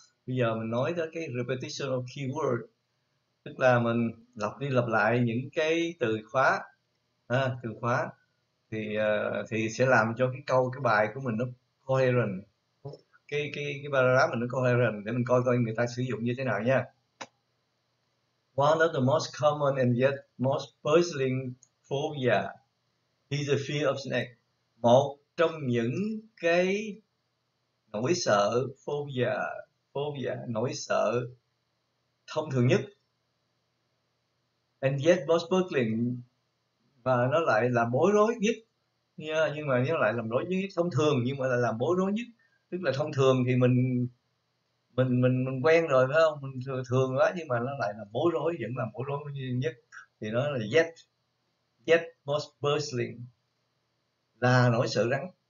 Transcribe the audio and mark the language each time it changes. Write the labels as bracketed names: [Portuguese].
[Vietnamese] Bây giờ mình nói tới cái [English] repetition of keyword, [Vietnamese] tức là mình lặp đi lặp lại những cái từ khóa, từ khóa thì sẽ làm cho cái câu, cái bài của mình nó coherent, cái paragraph mình nó coherent, để mình coi coi người ta sử dụng như thế nào nha. [English] One of the most common and yet most puzzling phobia is the fear of snake. [Vietnamese] Một trong những cái nỗi sợ, phobia, nỗi sợ thông thường nhất. [English] And yet most puzzling, [Vietnamese] và nó lại là bối rối nhất. Nhưng mà nó lại làm rối nhất, thông thường nhưng mà lại làm bối rối nhất. Tức là thông thường thì mình quen rồi phải không, mình thường thường đó, nhưng mà nó lại là bối rối, vẫn là bối rối nhất, thì nó là [English] yet yet most puzzling, [Vietnamese] là nỗi sợ rắn.